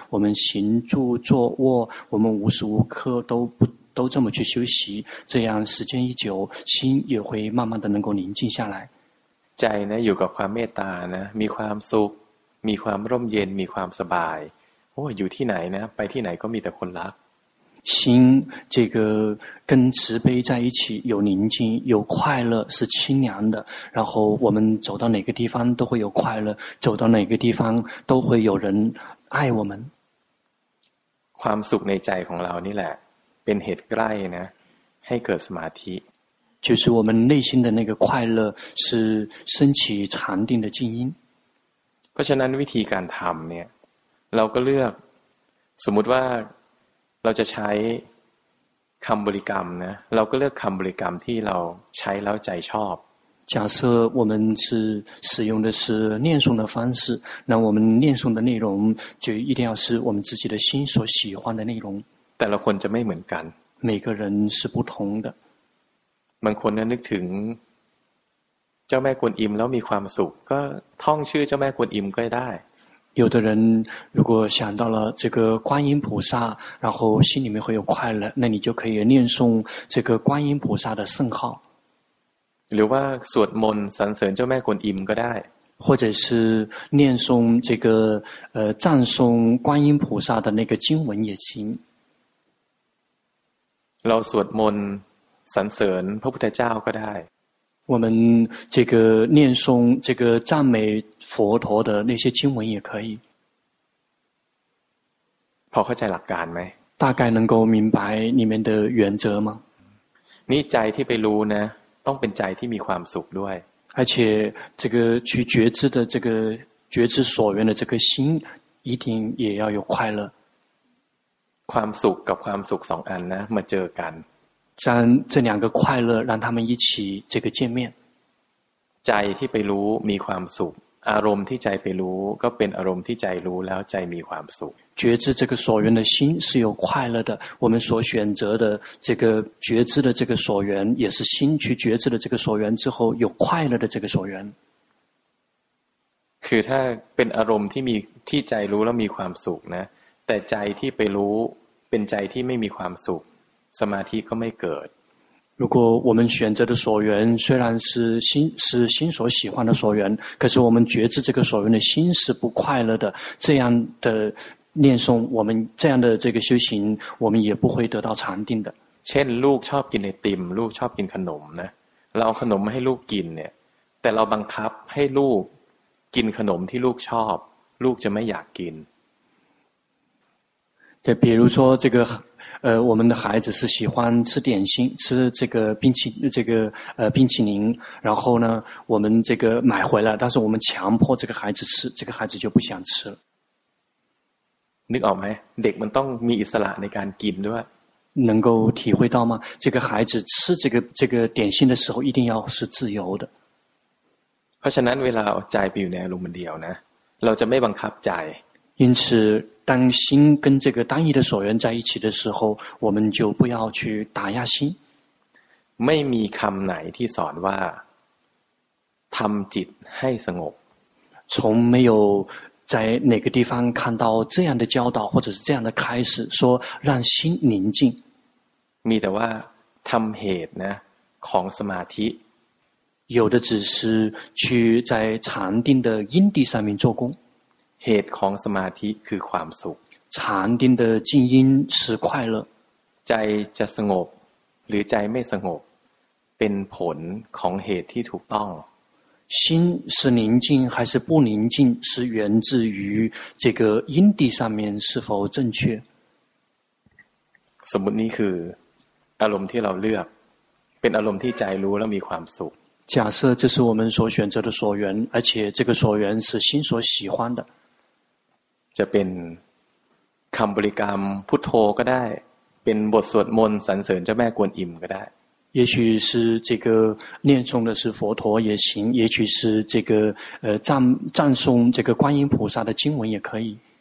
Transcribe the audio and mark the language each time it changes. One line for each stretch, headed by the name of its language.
Chinese: 我们行住坐卧，我们无时无刻都这么去休息，这样时间一久，心也会慢慢的能够宁静下来。
Thai: ใจนะอยู่กับความเมตตานะมีความสุขมีความร่มเย็นมีความสบายโอ้อยู่ที่ไหนนะไปที่ไหนก็มีแต่คนรัก
Chinese: 心这个跟慈悲在一起有宁静有快乐是清凉的然后我们走到哪个地方都会有快乐走到哪个地方都会有人爱我们
Thai: ความสุขในใจของเรานี่แหละเป็นเหตุใกล้นะให้เกิดสมาธิ
Chinese: 就是我们内心的那个快乐是升起禅定的静音
Thai: เพราะฉะนั้นวิธีการทำเนี่ยเราก็เลือกสมมุติว่าเราจะใช้คำบริกรรมนะเราก็เลือกคำบริกรรมที่เราใช้แล้วใจชอบ
Chinese: 假设我们是使用的是念诵的方式那我们念诵的内容就一定要是我们自己的心所喜欢的内容
Thai: แต่ละคนจะไม่เหมือนกัน
Chinese: 每个人是不同的
Thai: บางคนนะนึกถึงเจ้าแม่กวนอิมแล้วมีความสุขก็ท่องชื่อเจ้าแม่กวนอิมก็ได้
Chinese: 有的人如果想到了这个观音菩萨然后心里面会有快乐那你就可以念诵这个观音菩萨的圣号
Thai: หรือว่าสวดมนต์สรรเสริญเจ้าแม่กวนอิมก็ได้
Chinese: 或者是念诵这个赞颂观音菩萨的那个经文也行
Thai: เราสวดมนต์สรรเสริญพระพุทธเจ้าก็ได้
Chinese: 我们这个念诵这个赞美佛陀的那些经文也可以
Thai: พอเข้าใจหลักการไหม
Chinese: 大概能够明白里面的原则吗
Thai: นี่ใจที่ไปรู้นะต้องเป็นใจที่มีความสุขด้วย
Chinese: 而且这个去觉知的这个觉知所缘的这个心一定也要有快乐
Thai: ความสุขกับความสุขสองอันนะมาเจอกัน
Chinese: 这两个快乐让他们一起这个见面
Thai: ใจที่ไปรู้มีความสุขอารมณ์ที่ใจไปรู้ก็เป็นอารมณ์ที่ใจรู้แล้วใจมีความสุข
Chinese: 觉知这个所缘的心是有快乐的我们所选择的这个觉知的这个所缘也是心去觉知的这个所缘之后有快乐的这个所缘
Thai: คือถ้าเป็นอารมณ์ที่มีที่ใจรู้แล้วมีความสุขนะแต่ใจที่ไปรู้เป็นใจที่ไม่มีความสุขสมาธิก็ไม่เกิด
Chinese: 如果我们选择的所缘虽然是心是心所喜欢的所缘可是我们觉知这个所缘的心是不快乐的这样的念诵我们这样的这个修行我们也不会得到禅定的
Thai: เช่นลูกชอบกินไอติมลูกชอบกินขนมนะเราเอาขนมมาให้ลูกกินเนี่ยแต่เราบังคับให้ลูกกินขนมที่ลูกชอบลูกจะไม่อยากกิน
Chinese: 对比如说这个我们的孩子是喜欢吃点心吃这个冰淇这个冰淇淋然后呢我们这个买回来但是我们强迫这个孩子吃这个孩子就不想吃了。
Thai: นึกออกไหมเด็กมันต้องมีอิสระในการกินด้วย
Chinese: 能够体会到吗这个孩子吃这个点心的时候一定要是自由的。
Thai: เพราะฉะนั้นเวลาใจไปอยู่ในอารมณ์เดียวนะเราจะไม่บังคับใจ。
Chinese: 因此当心跟这个单一的所缘在一起的时候我们就不要去打压心
Thai: ไม่มีคำไหนที่สอนว่าทำจิตให้สงบ
Chinese: 从没有在哪个地方看到这样的教导或者是这样的开始说让心宁静
Thai: มีแต่ว่าทำเหตุนะของสมาธิ
Chinese: 有的只是去在禅定的因地上面做功
Thai: เหตุของสมาธิคือความสุข
Chinese: ฌาน定的静音是快乐
Thai: ใจจะสงบหรือใจไม่สงบเป็นผลของเหตุที่ถูกต้อง
Chinese: 心是宁静还是不宁静是源自于这个因地上面是否正确
Thai: สมมตินี้คืออารมณ์ที่เราเลือกเป็นอารมณ์ที่ใจรู้แล้วมีความสุข
Chinese: 假设这是我们所选择的所缘而且这个所缘是心所喜欢的
Thai: จะเป็นคำบริกรรมพุทโธก็ได้เป็นบทสวดมนต์สรรเสริญเจ้าแม่กวนอิมก็ได้
Chinese: 也许是这个念诵的是佛陀也行也许是这个赞颂这个观音菩萨的经文也可以